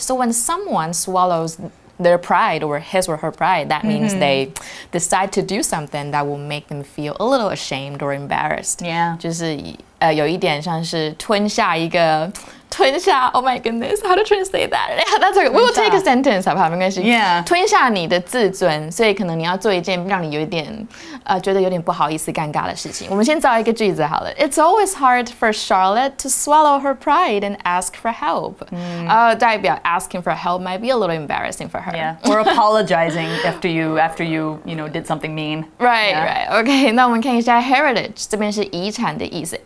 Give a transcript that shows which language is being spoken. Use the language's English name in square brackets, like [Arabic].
[English] So when someone swallows their pride or his or her pride, that means they decide to do something that will make them feel a little ashamed or embarrassed. Yeah， [Chinese] 就是有一点像是吞下一个。吞下 [English] Oh my goodness, how to translate that? Yeah, that's okay. We will take a sentence, [Chinese] 好不好？没关系。 [English] Yeah. [Chinese] 吞下你的自尊，所以可能你要做一件让你有点觉得有点不好意思、尴尬的事情。我们先造一个句子好了。 [English] It's always hard for Charlotte to swallow her pride and ask for help. [Chinese] 代表 [English] asking for help might be a little embarrassing for her. Yeah. Or apologizing after you did something mean. Right.、Yeah. Right. Okay. [Chinese] 那我们看一下 heritage 这边是遗产的意思。